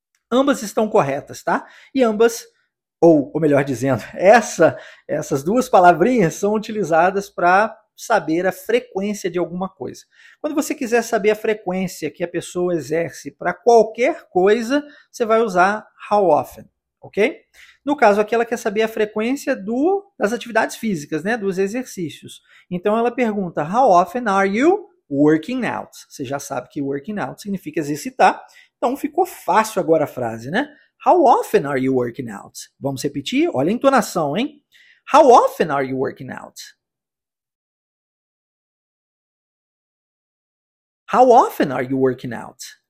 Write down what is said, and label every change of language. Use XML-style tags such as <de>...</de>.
<pt>Ambas estão corretas, tá? E ambas, ou melhor dizendo, essas duas palavrinhas são utilizadas para saber a frequência de alguma coisa. Quando você quiser saber a frequência que a pessoa exerce para qualquer coisa, você vai usar how often, ok? No caso aqui, ela quer saber a frequência das atividades físicas, né, dos exercícios. Então ela pergunta:</pt> <en>How often are you working out?</en> <pt>Você já sabe que working out significa exercitar. Então ficou fácil agora a frase, né?</pt> <en>How often are you working out?</en> <pt>Vamos repetir? Olha a entonação, hein?</pt> <en>How often are you working out? How often are you working out?</en>